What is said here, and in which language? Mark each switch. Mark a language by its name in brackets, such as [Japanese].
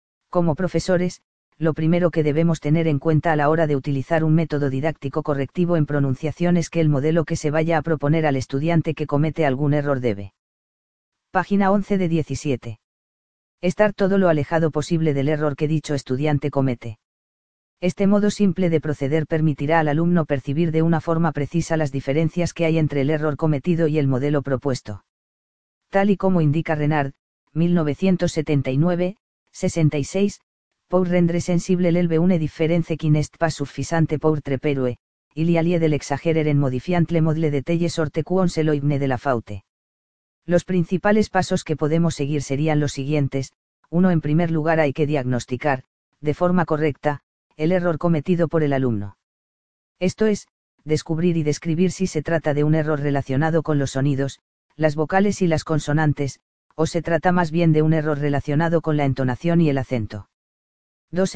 [Spanish] Como profesores, lo primero que debemos tener en cuenta a la hora de utilizar un método didáctico correctivo en pronunciación es que el modelo que se vaya a proponer al estudiante que comete algún error debe. Página 11 de 17. Estar todo lo alejado posible del error que dicho estudiante comete. Este modo simple de proceder permitirá al alumno percibir de una forma precisa las diferencias que hay entre el error cometido y el modelo propuesto. [French] Tal y como indica Renard, 1979-66, pour rendre sensible l'élève une différence qui n'est pas suffisante pour trepérue, il y a lieu de l'exagérer en modifiant le modèle de telle sorte qu'on se l'oigne de la faute. [Spanish] Los principales pasos que podemos seguir serían los siguientes: 1. En primer lugar hay que diagnosticar, de forma correcta, el error cometido por el alumno. Esto es, descubrir y describir si se trata de un error relacionado con los sonidos, las vocales y las consonantes, o se trata más bien de un error relacionado con la entonación y el acento. 2.